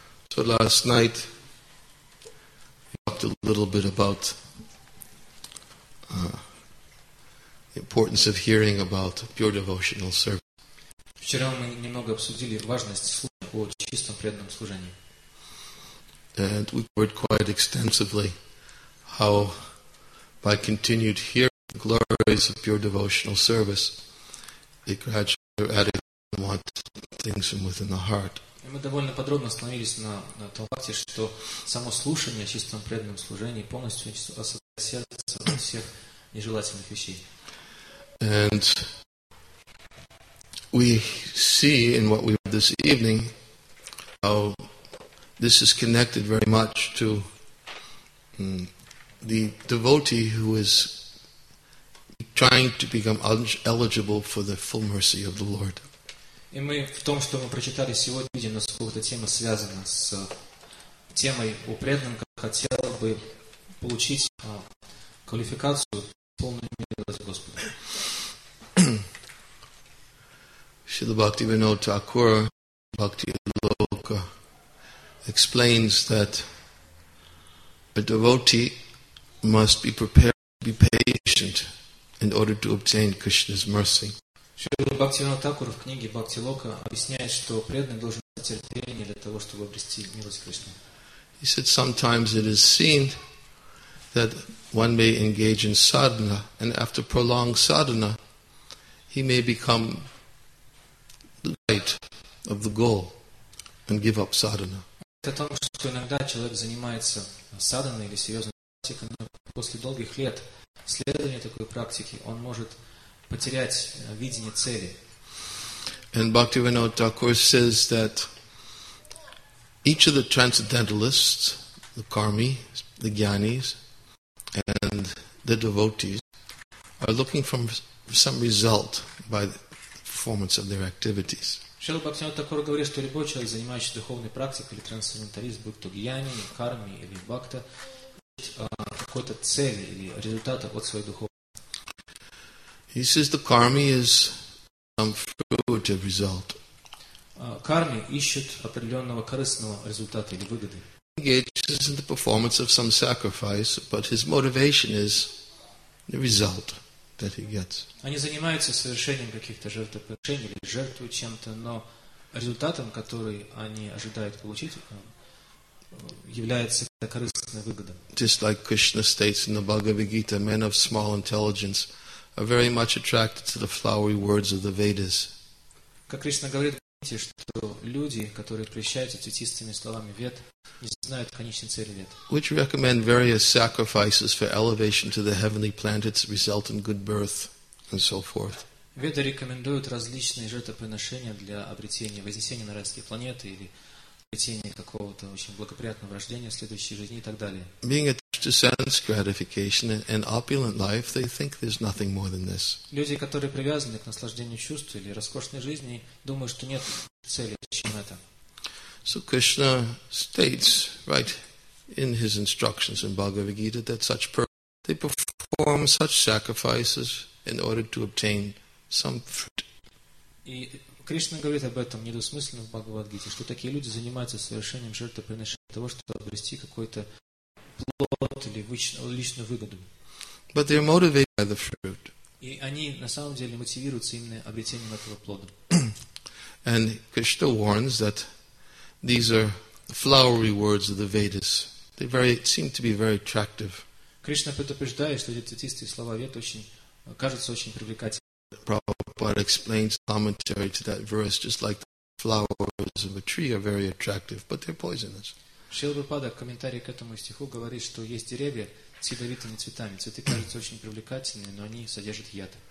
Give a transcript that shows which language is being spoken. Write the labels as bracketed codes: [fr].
[en] So last night we talked a little bit about the importance of hearing about pure devotional service. [ru] Вчера мы немного обсудили важность слушать о чистом преданном служении. [en] And we covered quite extensively how by continued hearing the glories of pure devotional service, it gradually added more things from within the heart. [ru] И мы довольно подробно остановились на том факте, что само слушание о чистом преданном служении полностью освобождает сердце от всех нежелательных вещей. [en] And we see in what we read this evening how this is connected very much to the devotee who is trying to become eligible for the full mercy of the Lord. [ru] И мы в том, что мы прочитали сегодня, видим, насколько эта тема связана с темой о преданном, который хотел бы получить квалификацию полную милость Господа. [en] Шрила Бхактивинода Тхакур, Бхакти Лока, explains that a devotee must be prepared to be patient in order to obtain Krishna's mercy. [ru] Шрила Бхактивинода Тхакур в книге Бхакти Лока объясняет, что преданный должен иметь терпение для того, чтобы обрести милость Кришны. [en] He said sometimes it is seen that one may engage in sadhana, and after prolonged sadhana, he may become light of the goal and give up sadhana. [ru] Это о том, что иногда человек занимается садханой или серьезной практикой, но после долгих лет следования такой практики он может потерять видение цели. [en] And Bhaktivinoda Thakur says that each of the transcendentalists, the karmi, the gyanis, and the devotees are looking for some result by the performance of their activities. [ru] Шрила Бхактивинода Тхакура говорит, что любой человек, занимающийся духовной практикой или трансценденталист, будь то гьяни, карми или бхакта, ищет какой-то цели или результата от своей духовной. [en] He says the karmi is some fruitive result. [ru] Карми ищет определенного корыстного результата или выгоды. [en] He engages in the performance of some sacrifice, but his motivation is the result. that he gets. [ru] Они занимаются совершением каких-то жертвоприношений или жертвуют чем-то, но результатом, который они ожидают получить, является какая-то корыстная выгода. [en] Just like Krishna states in the Bhagavad Gita, men of small intelligence are very much attracted to the flowery words of the Vedas. [ru] Как Кришна говорит, что люди, которые прельщаются цветистыми словами Вед, не знают конечной цели Вед. [en] Which recommend various sacrifices for elevation to the heavenly planets, result in good birth, and so forth. [ru] Веды рекомендуют различные жертвоприношения для обретения вознесения на райские планеты или обретения какого-то очень благоприятного рождения в следующей жизни и так далее. [en] Being attached to sense gratification and opulent life, they think there's nothing more than this. [ru] Люди, которые привязаны к наслаждению чувств или роскошной жизни, думают, что нет цели, чем это. [en] So Krishna states right in his instructions in Bhagavad Gita that such they perform such sacrifices in order to obtain some fruit. [ru] И Кришна говорит об этом недвусмысленно в Бхагавад-гите, что такие люди занимаются совершением жертвоприношения для того, чтобы обрести какой-то плод или личную выгоду. [en] But they're motivated by the fruit. [ru] И они на самом деле мотивируются именно обретением этого плода. [en] And Krishna warns that these are flowery words of the Vedas. They very seem to be very attractive. [ru] Кришна предупреждает, что эти цветистые слова Вед кажутся очень привлекательными. [en] Prabhupada explains commentary to that verse, just like the flowers of a tree are very attractive, but they're poisonous. [ru] Шрила Прабхупада в комментарии к этому стиху говорит, что есть деревья с ядовитыми цветами. Цветы кажутся очень привлекательными, но они содержат яд.